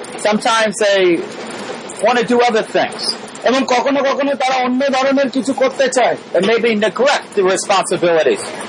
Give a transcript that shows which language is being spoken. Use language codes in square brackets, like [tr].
[en] Sometimes they want to do other things. [bn] এবং কখনো কখনো তারা অন্য ধরনের কিছু করতে চায়. [en] And maybe neglect the responsibilities.